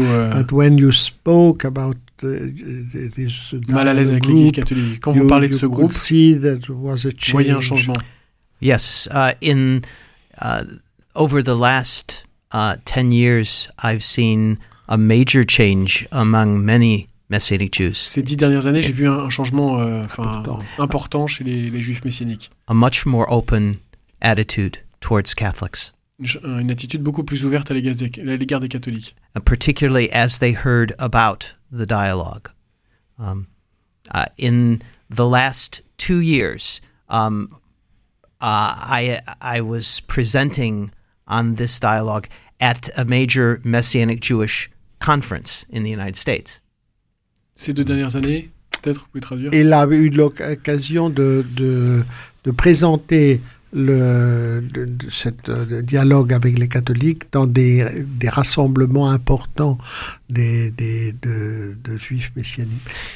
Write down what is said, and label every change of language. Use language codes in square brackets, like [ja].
[en] But when you spoke about [fr] mal à l'aise avec l'Église catholique, quand vous parlez de ce groupe, vous voyez un changement. [en] Yes, in over the last 10 years, I've seen a major change among many. Messianic Jews. [fr] Ces 10 dernières années, j'ai vu un changement important chez les juifs messianiques. [en] A much more open attitude towards Catholics. [fr] une attitude beaucoup plus ouverte à l'égard des catholiques. [en] Particularly as they heard about the dialogue. In the last 2 years, I was presenting on this dialogue at a major Messianic Jewish conference in the United States. [fr] Ces deux dernières années, peut-être vous pouvez traduire. Il a eu l'occasion de présenter le dialogue avec les catholiques dans des rassemblements importants de juifs messianiques.